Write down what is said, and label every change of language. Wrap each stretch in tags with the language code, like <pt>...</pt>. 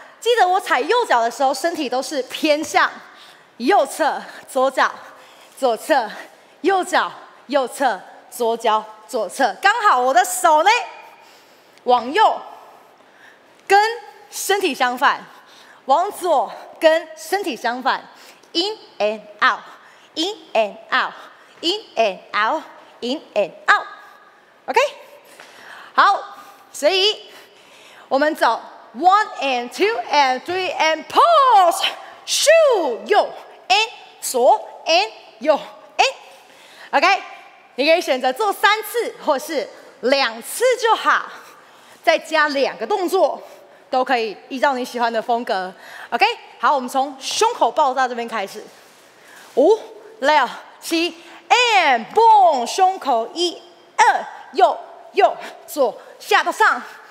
<zh>记得我踩右脚的时候，身体都是偏向右侧，左脚，左侧，右脚，右侧，左脚，左侧。刚好我的手呢，往右，跟身体相反；往左，跟身体相反。</zh> <en>In and out, in and out, in and out, in and out.</en> <zh>OK， 好，所以我们走。</zh> <en>One and two and three and pause. Shoo, 右 and 左 and 右 and.</en> <zh>OK， 你可以选择做三次或是两次就好，再加两个动作都可以，依照你喜欢的风格。 OK， 好，我们从胸口爆炸这边开始。五、六、七</zh> <en>and boom，</en> <zh>胸口一二右右左下到上。</zh>